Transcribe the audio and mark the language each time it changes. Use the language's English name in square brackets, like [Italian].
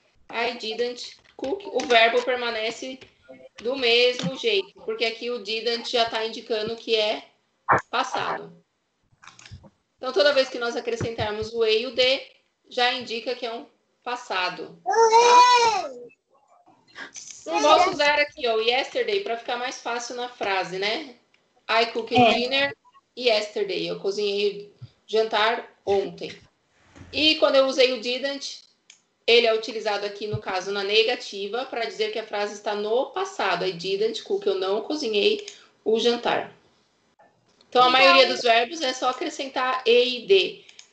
[English] I didn't cook. [Portuguese] O verbo permanece do mesmo jeito, porque aqui o didn't já está indicando que é passado. Então, toda vez que nós acrescentarmos o E e o D, já indica que é um passado. Posso usar aqui, ó, yesterday, para ficar mais fácil na frase, né? [English] I cooked dinner yesterday. [Portuguese] Eu cozinhei jantar ontem. E quando eu usei o didn't, ele é utilizado aqui, no caso, na negativa, para dizer que a frase está no passado. [English] I didn't cook, [Portuguese] eu não cozinhei o jantar. Então, a maioria dos verbos é só acrescentar e e d.